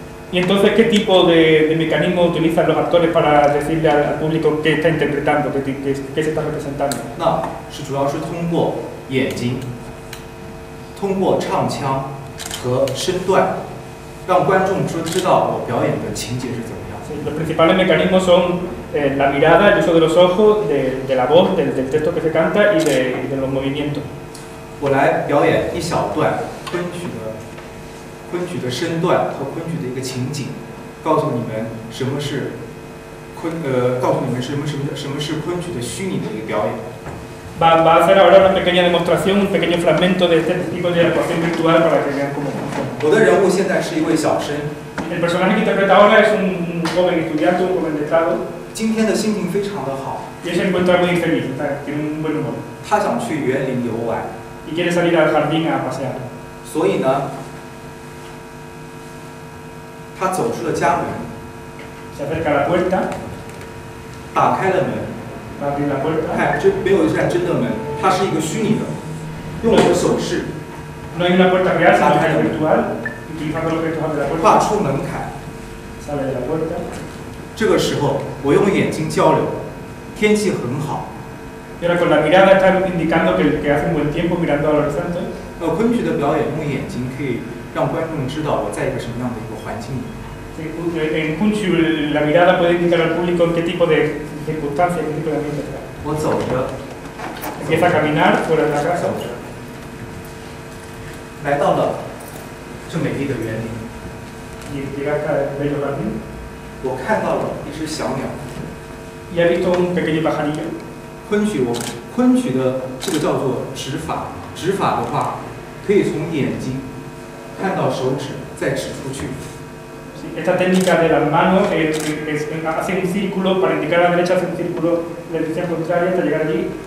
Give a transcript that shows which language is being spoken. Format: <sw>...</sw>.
<es>¿Y entonces qué tipo de mecanismo utilizan los actores para decirle al público qué está interpretando, qué se está representando?</es> <zh>No, 主要是通过眼睛, 通过唱腔和身段, 让观众知道我表演的情节是怎么样。</zh> <es>Sí, los principales mecanismos son la mirada, el uso de los ojos, de la voz, del texto que se canta y de los movimientos.</es> <zh>我来表演一小段, 昆曲的身段和昆曲的一个情景，告诉你们什么是昆，告诉你们什么是昆曲的虚拟的一个表演。</zh> <es>Va a hacer ahora una pequeña demostración, un pequeño fragmento de este tipo de actuación virtual para que vean cómo funciona.</es> <zh>我的人物现在是一位小生。</zh> <es>El personaje que interpreta ahora es un joven estudiante, un joven letrado.</es> <zh>今天的心情非常的好。</zh> <es>Y se encuentra muy feliz, tiene un buen humor.</es> <zh>他想去园林游玩。</zh> <es>Y quiere salir al jardín a pasear.</es> <zh>所以呢。他走出了家门,</zh> <es>se acerca a la puerta,</es> <zh>打开了门,</zh> <es>va a abrir la puerta.</es> <zh>没有一扇真的门, 它是一个虚拟的, 用了手势,</zh> <es>no hay una puerta real, sino que es virtual, utilizando los objetos de la puerta.</es> <zh>跨出门槛,</zh> <es>sale de la puerta.</es> <zh>这个时候, 我用眼睛交流, 天气很好.</zh> <es>Y ahora con la mirada está indicando que hace un buen tiempo mirando al horizonte.</es> <zh>昆曲的表演用眼睛可以 让观众知道我在一个什么样的一个环境里面。</zh> <es>En Kunchu, la mirada puede indicar al público en qué tipo de circunstancias, qué tipo de ambiente está.</es> <zh>我走着,</zh> <es>empieza a caminar fuera de la casa.</es> <zh>走着, 来到了这美丽的园林,</zh> <es>y llega acá el bello jardín.</es> <zh>我看到了一只小鸟,</zh> <es>y ha visto un pequeño pajarillo.</es> <zh>昆曲的这个叫做指法的话，可以从眼睛。看到手指再指出去。</zh> <es>Sí, esta técnica de las manos es hacer un círculo para indicar a la derecha, hacer un círculo en la dirección contraria hasta llegar allí.</es>